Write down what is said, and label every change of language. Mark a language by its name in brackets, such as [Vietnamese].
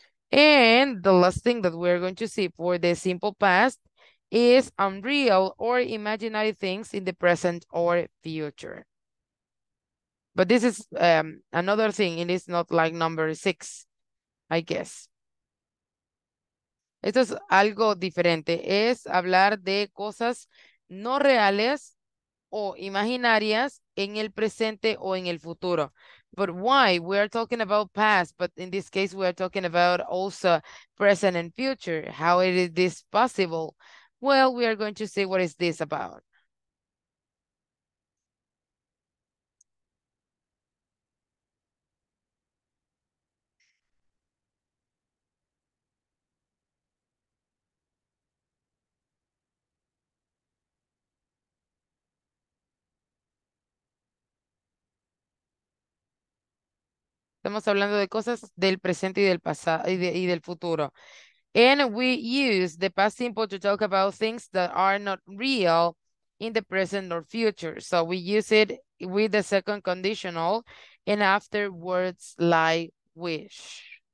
[English] And the last thing that we're going to see for the simple past is unreal or imaginary things in the present or future. But this is another thing. It is not like number six, I guess. [Spanish] Esto es algo diferente, es hablar de cosas no reales o imaginarias en el presente o en el futuro. [English] But why? We are talking about past, but in this case, we are talking about also present and future. How is this possible? Well, we are going to see what is this about. [Spanish] Estamos hablando de cosas del presente y del pasado y del futuro. [English] And we use the past simple to talk about things that are not real in the present or future. So we use it with the second conditional and after words like wish.